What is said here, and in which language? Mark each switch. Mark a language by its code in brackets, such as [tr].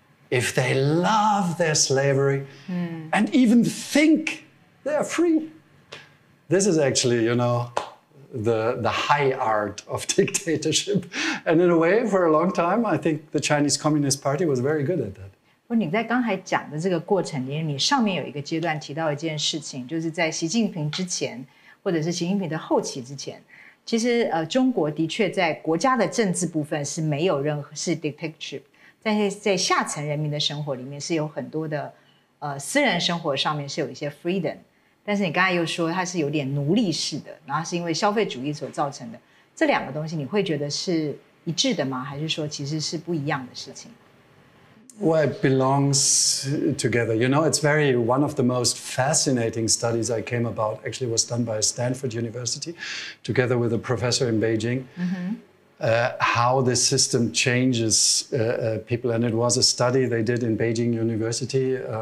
[en] If they love their slavery and even think they are free. This is actually, you know, the high art of dictatorship. And in a way, for a long time, I think the Chinese Communist Party was very good at that. [zh] 你在刚才讲的这个过程里面，你上面有一个阶段提到一件事情，就是在习近平之前，或者是习近平的后期之前，其实中国的确在国家的政治部分是没有任何是 dictatorship， 但是在下层人民的生活里面是有很多的私人生活上面是有一些 freedom， 但是你刚才又说它是有点奴隶式的，然后是因为消费主义所造成的，这两个东西你会觉得是一致的吗？还是说其实是不一样的事情？ [en] Well, it belongs together. You know, it's very one of the most fascinating studies I came about. Actually, was done by Stanford University, together with a professor in Beijing. How this system changes people, and it was a study they did in Beijing University.